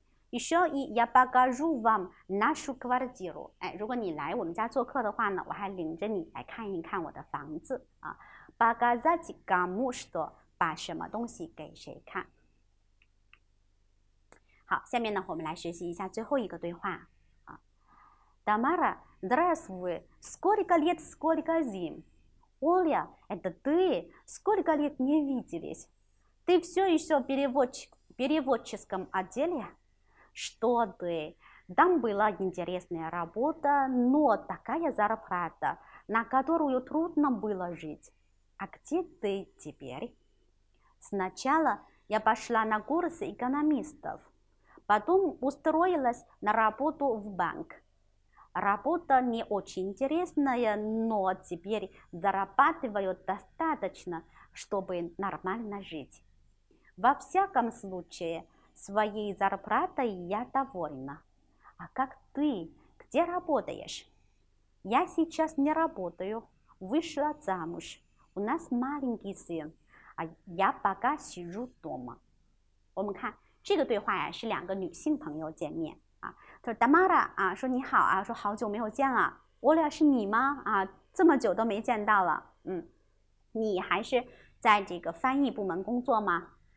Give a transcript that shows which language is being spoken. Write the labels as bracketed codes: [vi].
[ru] Ещё и я покажу вам нашу квартиру， [zh] 哎，如果你来我们家做客的话呢，我还领着你来看一看我的房子啊。 [ru] Показать кому что， [zh] 把什么东西给谁看？好，下面呢，我们来学习一下最后一个对话啊。 [ru] Тамара, здравствуй, сколько лет, сколько зим? Оля, это ты, сколько лет не виделись? Ты все еще в переводческом отделе? Что ты? Там была интересная работа, но такая зарплата, на которую трудно было жить. А где ты теперь? Сначала я пошла на курсы экономистов. Потом устроилась на работу в банк. Работа не очень интересная, но теперь зарабатываю достаточно, чтобы нормально жить. Во всяком случае, своей зарплатой я довольна. А как ты? Где работаешь? Я сейчас не работаю, вышла замуж. У нас маленький сын. 啊，я пока сижу дома。 [zh] 我们看这个对话呀，是两个女性朋友见面啊。她说 Тамара 啊，说你好啊，说好久没有见了。我俩是你吗？啊，这么久都没见到了。嗯，你还是在这个翻译部门工作吗？